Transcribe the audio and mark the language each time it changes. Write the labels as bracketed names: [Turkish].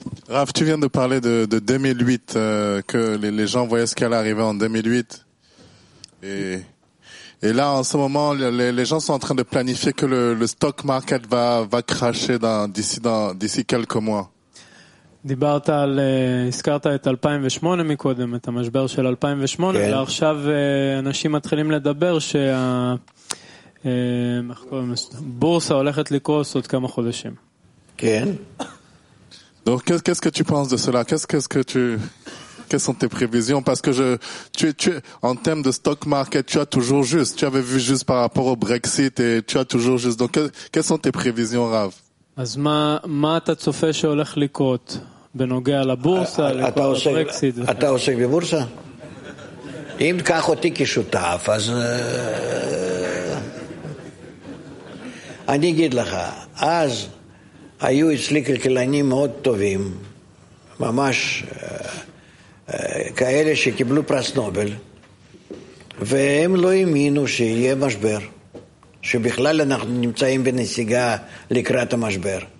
[French] Raf, tu viens de parler de 2008, que les gens voyaient ce qui allait arriver en 2008. Et là, en ce moment, les gens sont en train de planifier que le stock market va crasher d'ici quelques mois. [Hebrew] דיברת על, הזכרת את 2008 מקודם, את המשבר של 2008, כן. ועכשיו אנשים מתחילים לדבר שהבורסה הולכת לקרוס עוד כמה חודשים. כן. [French] Donc qu'est-ce que tu penses de cela? Quelles sont tes prévisions? Parce que en termes de stock market, tu as toujours juste. Tu avais vu juste par rapport au Brexit et tu as toujours juste. Donc quelles sont tes prévisions, Rav? [Hebrew] אז מה אתה צופה שהולך לקרות בנוגע לבורסה, לקרות הברקסיט? אתה עוסק בבורסה? אם תקח אותי כשותף, אז אני אגיד לך, אז היו אצלי כלכלנים מאוד טובים, ממש כאלה שקיבלו פרס נובל, והם לא האמינו שיהיה משבר, שבכלל אנחנו נמצאים בנסיגה לקראת המשבר.